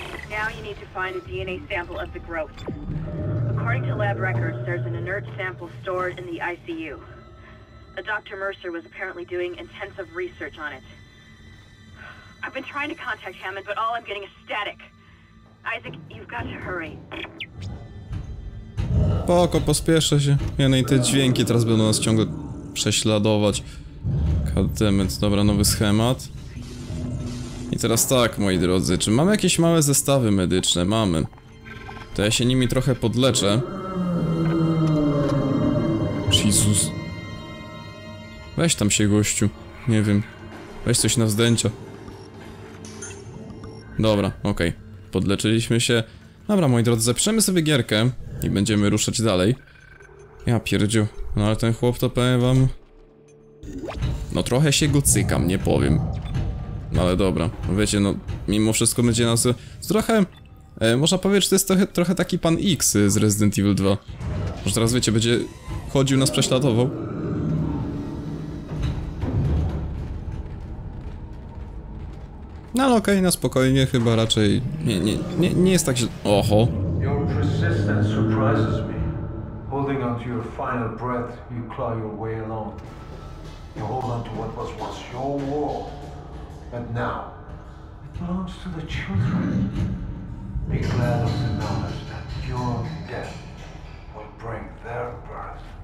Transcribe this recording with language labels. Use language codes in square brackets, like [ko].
[en] Now you need to find a DNA sample of the growth. According to lab records, there's an inert sample stored in the ICU. A Dr. Mercer was apparently doing intensive research on it. I've been trying to contact Hammond, but all I'm getting is static. Isaac, you've got to hurry. [pl] Poko, pospieszę się. Ja, no i te dźwięki teraz będą nas ciągle prześladować. Goddammit, dobra, nowy schemat. I teraz tak, moi drodzy, czy mamy jakieś małe zestawy medyczne? Mamy. To ja się nimi trochę podleczę. Jezus. Weź tam się, gościu. Nie wiem. Weź coś na wzdęcia. Dobra, okej. Podleczyliśmy się. Dobra, moi drodzy, zapiszemy sobie gierkę i będziemy ruszać dalej. Ja pierdziu. No ale ten chłop to powiem wam... No trochę się go cykam, nie powiem. Ale dobra, wiecie, no, mimo wszystko będzie nas trochę, można powiedzieć, że to jest trochę taki pan X z Resident Evil 2. Może teraz, wiecie, będzie chodził, nas prześladował. No ale okej, na spokojnie, chyba raczej, nie jest tak, że, oho. [en] Your persistence surprises me. Holding on to your final breath, you claw your way along. You hold on to what was once your world. But now, it belongs to the children. Be glad of the knowledge that your death will bring their birth.